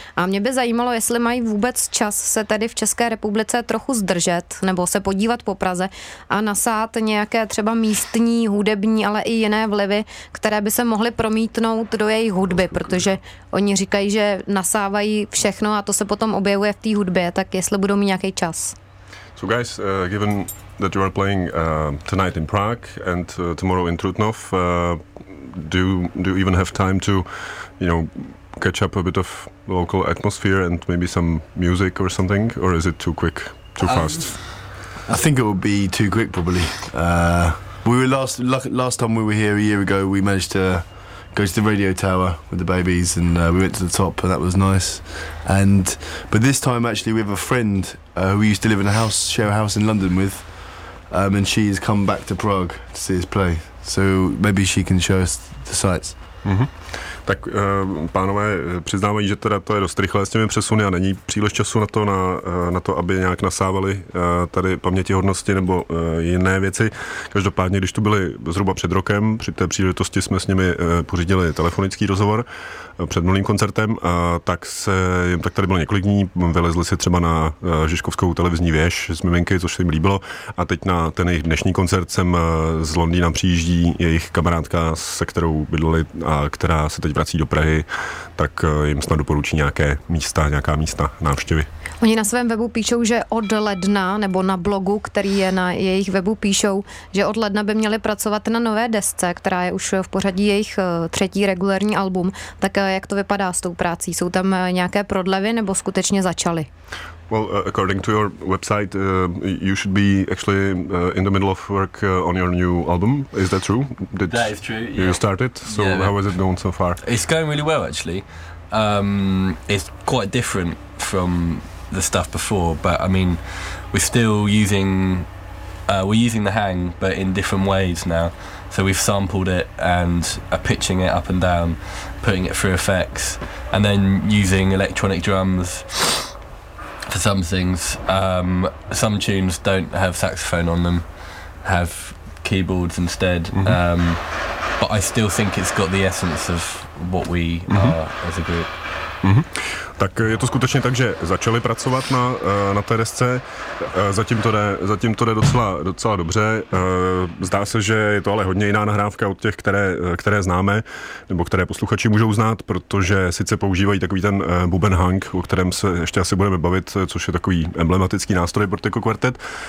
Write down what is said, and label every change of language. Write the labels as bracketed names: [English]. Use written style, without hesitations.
[Czech] A mě by zajímalo, jestli mají vůbec čas se tady v České republice trochu zdržet nebo se podívat po Praze a nasát nějaké třeba místní, hudební, ale i jiné vlivy, které by se mohly promítnout do jejich hudby, protože oni říkají, že nasávají všechno a to se potom objevuje v té hudbě, tak jestli budou mít nějaký čas. [English] So guys, given that you are playing tonight in Prague and tomorrow in Trutnov, do you even have time to, you know, catch up a bit of local atmosphere and maybe some music or something, or is it too quick, too fast? I think it would be too quick, probably. We were last time we were here a year ago. We managed to go to the radio tower with the babies, and we went to the top, and that was nice. But this time, actually, we have a friend who we used to live in a house, share a house in London with, and she has come back to Prague to see us play. So maybe she can show us the sights. Mm-hmm. [Czech] Tak pánové přiznávají, že teda to je dost rychlé s těmi přesuny a není příliš času na to, na to aby nějak nasávali tady pamětihodnosti nebo jiné věci. Každopádně, když tu byli zhruba před rokem, při té příležitosti jsme s nimi pořídili telefonický rozhovor před minulým koncertem, tak se jim tak tady bylo několik dní, vylezli si třeba na Žižkovskou televizní věž z Miminky, což se jim líbilo, a teď na ten jejich dnešní koncert sem z Londýna přijíždí jejich kamarádka, se kterou bydleli a která se teď vrací do Prahy, tak jim snad doporučí nějaká místa návštěvy. Oni na svém webu píšou, že od ledna, nebo na blogu, který je na jejich webu, píšou, že od ledna by měli pracovat na nové desce, která je už v pořadí jejich třetí regulární album. Tak jak to vypadá s tou prací? Jsou tam nějaké prodlevy nebo skutečně začali? [English] Well, according to your website, you should be actually in the middle of work on your new album. Is that true? That is true. You started. So yeah, how has it going so far? It's going really well, actually. It's quite different from the stuff before, but I mean, we're still using we're using the hang, but in different ways now. So we've sampled it and are pitching it up and down, putting it through effects, and then using electronic drums for some things. Some tunes don't have saxophone on them, have keyboards instead. Mm-hmm. But I still think it's got the essence of what we mm-hmm. are as a group. Mm-hmm. [Czech] Tak je to skutečně tak, že začali pracovat na té desce. Zatím to jde docela dobře. Zdá se, že je to ale hodně jiná nahrávka od těch, které známe, nebo které posluchači můžou znát, protože sice používají takový ten buben hang, o kterém se ještě asi budeme bavit, což je takový emblematický nástroj Portico Quartet.